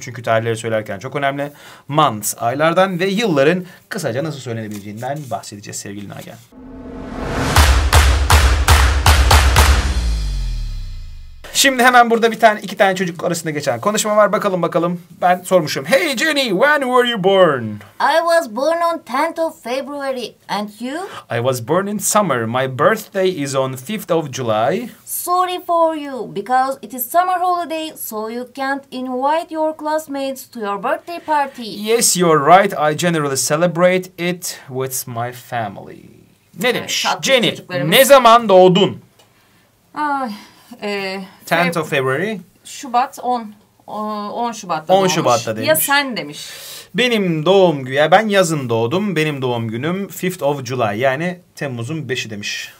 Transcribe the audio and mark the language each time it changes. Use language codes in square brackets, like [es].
[tr] Çünkü tarihleri söylerken çok önemli. Months, aylardan ve yılların kısaca nasıl söylenebileceğinden bahsedeceğiz sevgili Nagel. Şimdi hemen burada iki tane çocuk arasında geçen konuşma var. Bakalım. Ben sormuşum. [en] Hey Jenny, when were you born? I was born on 10th of February. And you? I was born in summer. My birthday is on 5th of July. Sorry for you, because it is summer holiday, so you can't invite your classmates to your birthday party. Yes, you're right. I generally celebrate it with my family. [tr] Ne demiş? Evet, Jenny, ne zaman doğdun? Ay... [en] 10th of February. [tr] Şubat 10. 10 Şubat'ta demiş. Ya sen demiş. Benim doğum günü, ya ben yazın doğdum. Benim doğum günüm [en] 5th of July, [tr] yani Temmuz'un 5'i demiş.